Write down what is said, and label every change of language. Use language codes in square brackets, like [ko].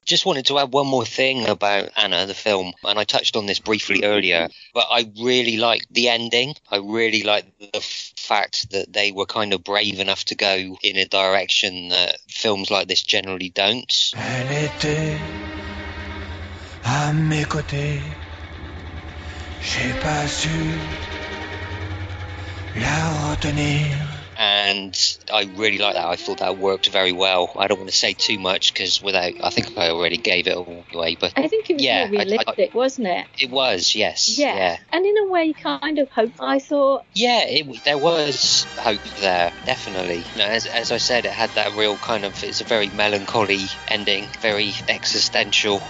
[en] Just wanted to add one more thing about Anna, the film, and I touched on this briefly earlier, but I really like the ending. I really like the fact that they were kind of brave enough to go in a direction that films like this generally don't. [fr] À mes côtés, j'ai pas su la retenir. [en] And I really like that. I thought that worked very well. I don't want to say too much because I think I already gave it away. But I think it was more realistic, wasn't it? It was, yes. Yeah. And in a way, kind of hope, I thought. Yeah, there was hope there, definitely. You know, as I said, it had that real kind of, it's a very melancholy ending, very existential.